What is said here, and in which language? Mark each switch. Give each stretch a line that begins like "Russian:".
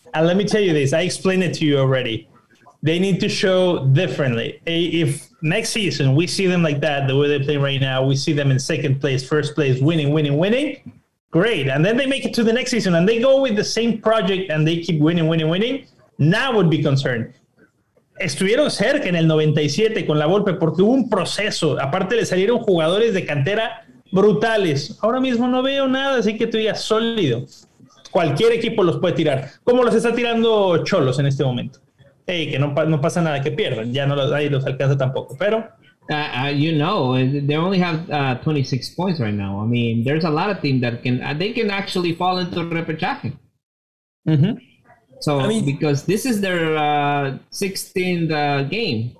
English: And let me tell you this. I explained it to you already. They need to show differently. If next season we see them like that, the way they play right now, we see them in second place, first place, winning, great. And then they make it to the next season and they go with the same project and they keep winning. Now would be concerned.
Spanish: Estuvieron cerca en el 97 con la Volpe porque hubo un proceso. Aparte le salieron jugadores de cantera brutales. Ahora mismo no veo nada, así que tú digas sólido. Cualquier equipo los puede tirar. ¿Cómo los está tirando Cholos en este momento? Hey, que no pasa nada, que pierdan. Ya no los, ahí los alcanza tampoco, pero...
English: They only have 26 points right now. I mean, there's a lot of teams that can... they can actually fall into repechaje. Mm-hmm. So, I mean, because this is their 16th game.